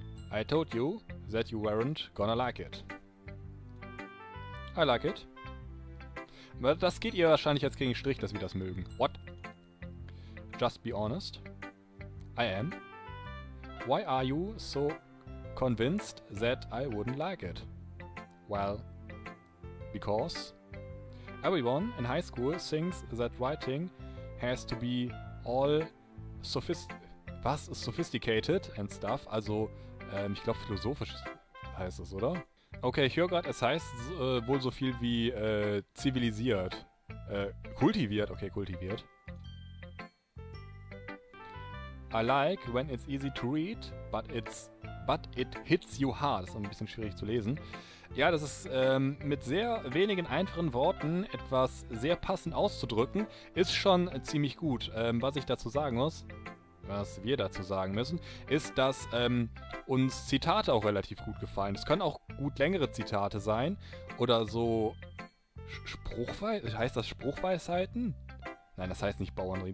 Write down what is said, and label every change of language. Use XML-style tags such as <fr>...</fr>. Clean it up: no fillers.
<en>I told you that you weren't gonna like it. I like it.</en> <de>Das geht ihr wahrscheinlich jetzt gegen den Strich, dass wir das mögen.</de> <en>What? Just be honest. I am. Why are you so convinced that I wouldn't like it? Well, because everyone in high school thinks that writing has to be all</en> <de>was ist</de> <en>sophisticated and stuff.</en> <de>Also, ich glaube philosophisch heißt es, oder? Okay, ich höre gerade, es heißt wohl so viel wie zivilisiert. Kultiviert, okay, kultiviert.</de> <en>I like when it's easy to read, but it hits you hard.</en> <de>Das ist ein bisschen schwierig zu lesen. Ja, das ist mit sehr wenigen einfachen Worten etwas sehr passend auszudrücken, ist schon ziemlich gut. Was ich dazu sagen muss, was wir dazu sagen müssen, ist, dass uns Zitate auch relativ gut gefallen. Es können auch gut längere Zitate sein oder so heißt das Spruchweisheiten? Nein, das heißt nicht Bauernregel.</de>